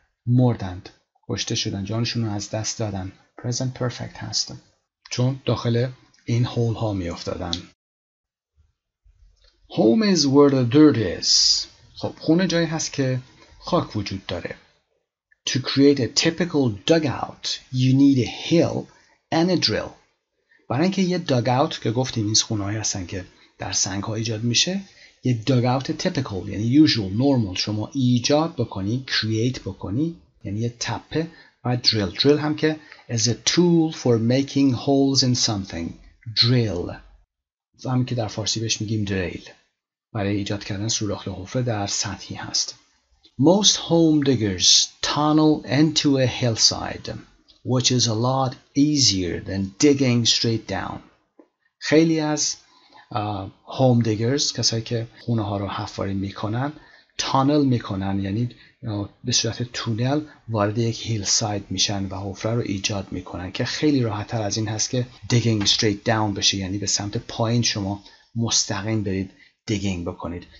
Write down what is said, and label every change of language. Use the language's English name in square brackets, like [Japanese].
[Persian] مردند، کشته شدن، جانشون رو از دست دادن. present perfect هستم چون داخل این هول ها میافتادن. [English] Home is where the dirt is. [Persian] خب خونه جایی هست که خاک وجود داره. [English] To create a typical dugout you need a hill and a drill. [Persian] برای اینکه یه dugout که گفتیم این خونه هایی هستن که در سنگ ها ایجاد میشه، یه dugout typical یعنی usual normal شما ایجاد بکنی، create بکنی، یعنی یه تپه و drill. drill هم که [English] as a tool for making holes in something. [Persian] drill هم که در فارسی بهش میگیم drill، برای ایجاد کردن سوراخ یا حفره در سطحی هست. [English] Most home diggers tunnel into a hillside which is a lot easier than digging straight down. [Persian] خیلی از home diggers، کسایی که خونه ها رو حفاری میکنن، تانل میکنن، یعنی به صورت تونل وارد یک هیل ساید میشن و حفره رو ایجاد میکنن که خیلی راحت تر از این هست که دیگینگ استریت داون بشه، یعنی به سمت پایین شما مستقیم برید دیگینگ بکنید.